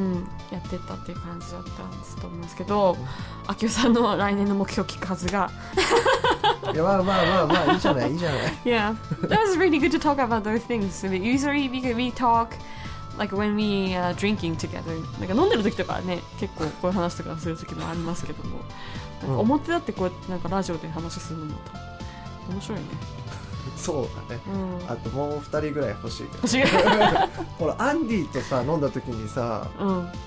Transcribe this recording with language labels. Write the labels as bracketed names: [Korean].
[Japanese] うん、やってったっていう感じだったんですと思うんですけど、あきおさんの来年の目標を聞くはずが、いやまあまあまあまあいいじゃないいいじゃない。 [English] Yeah, that was really good to talk about those things. Usually we talk like when we are drinking together. [Japanese] なんか飲んでる時とかね、結構こういう話とかする時もありますけども、表だってこうやってなんかラジオで話するのも面白いね。そうだね、うん、あともう2人ぐらい欲しい欲しいほらアンディとさ飲んだ時にさ、うん、